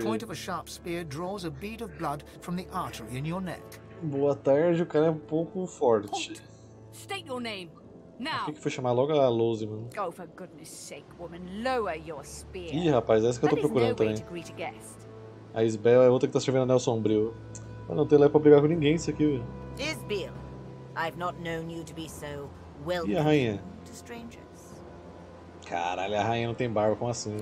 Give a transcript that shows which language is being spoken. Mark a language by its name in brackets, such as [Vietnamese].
[English] The point of a sharp spear draws a bead of blood from the artery in your neck. [Portuguese] Boa tarde, o cara é um pouco forte. [English] State your name. Now. [Portuguese] Por que foi chamar logo a Lose, mano? [English] Go for goodness sake, woman. Lower your spear. [Portuguese] Ih, rapaz, é essa que eu tô procurando também. A Isabel é outra que tá servindo anel sombrio. Mas não tem lá pra brigar com ninguém isso aqui, velho. [English] Isbeel, I've not known you to be so welcome to strangers. [Portuguese] Caralho, a rainha não tem barba, como assim?